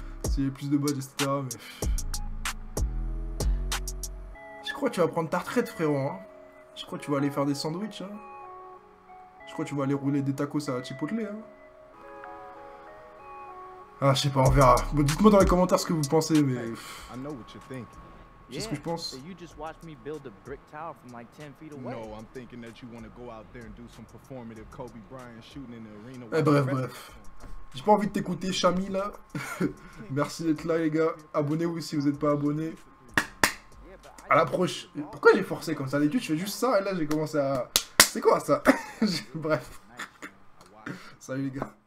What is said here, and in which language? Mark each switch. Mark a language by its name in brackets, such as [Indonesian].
[French] S'il y a plus de badges, etc. Mais... Je crois que tu vas prendre ta retraite, frérot. Hein. Je crois que tu vas aller faire des sandwichs. Hein. Je crois que tu vas aller rouler des tacos à Chipotle. Hein. Ah, je sais pas, on verra. Bon, dites-moi dans les commentaires ce que vous pensez, mais... [English] Hey, I know what you're thinking. [French] C'est ce que je pense. [English] Yeah, so you just watched me build a brick tower from like 10 feet away. No, I'm thinking that you want to go out there and do some performative Kobe Bryant shooting in the arena. [French] Eh bref. J'ai pas envie de t'écouter, Chami, là. Merci d'être là, les gars. Abonnez-vous si vous n'êtes pas abonné. À l'approche. Pourquoi j'ai forcé comme ça? D'habitude, je fais juste ça et là, j'ai commencé à... C'est quoi, ça? Bref. Salut, les gars.